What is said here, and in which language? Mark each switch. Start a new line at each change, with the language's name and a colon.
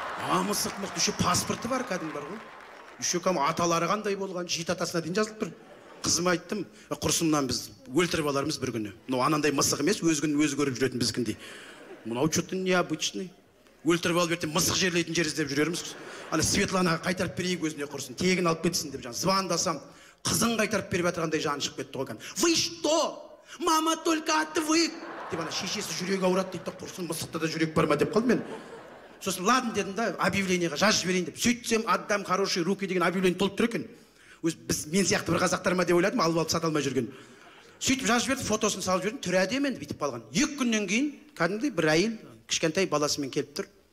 Kazakh: а мысық мысық еще паспорты бар кәдімгі бар ғой еще кәдімгі аталары қандай болған жеті атасына дейін жазылып тұр қызыма айттым құрсын мынаны біз өлтіріп алармыз бір күні мынау анандай мысық емес өз күнін өзі көріп жүретін біздікіндей мынау
Russian: че то необычный
Kazakh: өлтіріп алып ертең мысық жерлейтін жер іздеп жүрерміз ана светланаға қайтарып берейік өзіне құрсын тегін алып кетсін деп жаңағы звондасам қызын қайтарып беріп жатқандай жаны шығып кетті ғой кәдімгі.
Russian: Вы что? Мама только от вы.
Kazakh: Деп ана шешесі жүрегі ауырады дейді, құрсын мысықта да жүрек бар ма деп қалдым мен. Сосын ладно дедім да, объявлениеге жазып жіберейін деп. Сөйтсем,
Russian: отдам хорошие руки
Kazakh: деген объявление толып тұр екен. Өз біз мен сияқты бір қазақтар ма деп ойладым, алып-алып сата алмай жүрген. Сөйтіп жазып жіберді, фотосын салып жіберді, түрі әдемі енді бүйтіп қалған. Екі күннен кейін кәдімгідей бір әйел кішкентай баласымен келіп тұр.